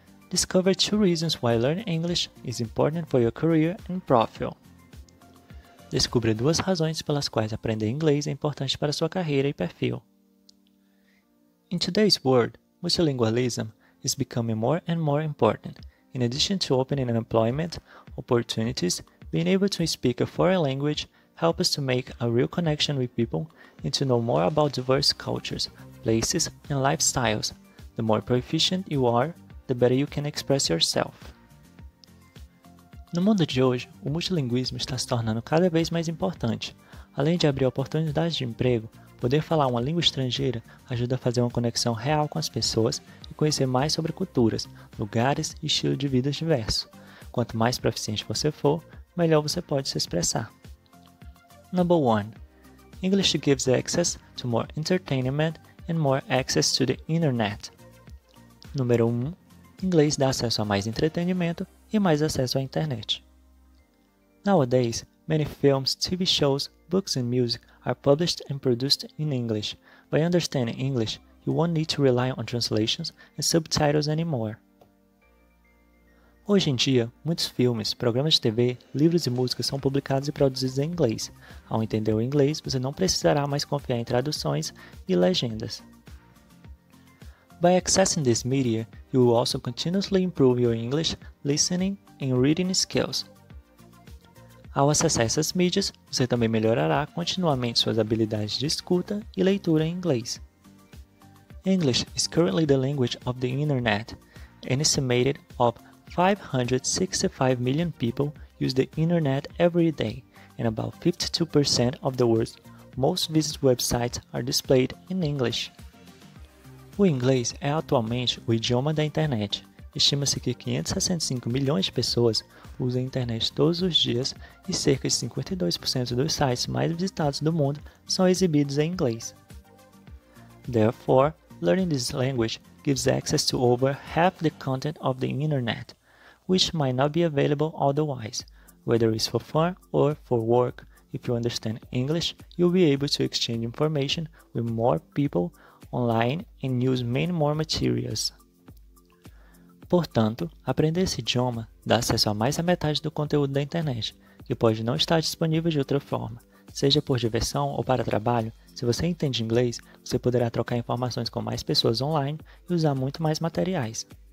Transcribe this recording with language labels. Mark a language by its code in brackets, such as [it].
[en] Discover two reasons why learning English is important for your career and profile. [pt] Descubra duas razões pelas quais aprender inglês é importante para sua carreira e perfil. [en] In today's world, multilingualism is becoming more and more important. In addition to opening employment opportunities, being able to speak a foreign language helps us to make a real connection with people and to know more about diverse cultures, places, and lifestyles. The more proficient you are, the better you can express yourself. [pt] No mundo de hoje, o multilinguismo está se tornando cada vez mais importante. Além de abrir oportunidades de emprego, poder falar uma língua estrangeira ajuda a fazer uma conexão real com as pessoas e conhecer mais sobre culturas, lugares e estilo de vida diversos. Quanto mais proficiente você for, melhor você pode se expressar. [en] Number 1. English gives access to more entertainment and more access to the internet. [pt] Número 1. Inglês dá acesso a mais entretenimento e mais acesso à internet. [en] Nowadays, many films, TV shows, books and music are published and produced in English. By understanding English, you won't need to rely on translations and subtitles anymore. [pt] Hoje em dia, muitos filmes, programas de TV, livros e músicas são publicados e produzidos em inglês. Ao entender o inglês, você não precisará mais confiar em traduções e legendas. [en] By accessing this media, you will also continuously improve your English listening and reading skills. [pt] Ao acessar essas mídias, você também melhorará continuamente suas habilidades de escuta e leitura em inglês. [en] English is currently the language of the internet. An estimated of 565 million people use the internet every day, and about 52% of the world's most visited websites are displayed in English. [pt] O inglês é atualmente o idioma da internet. Estima-se que 565 milhões de pessoas usam a internet todos os dias e cerca de 52% dos sites mais visitados do mundo são exibidos em inglês. [en] Therefore, learning this language gives access to over half the content of the internet, which might not be available otherwise, whether it's for fun or for work. If you understand English, you'll be able to exchange information with more people online and use many more materials. [pt] Portanto, aprender esse idioma dá acesso a mais da metade do conteúdo da internet, que pode não estar disponível de outra forma. Seja por diversão ou para trabalho, se você entende inglês, você poderá trocar informações com mais pessoas online e usar muito mais materiais.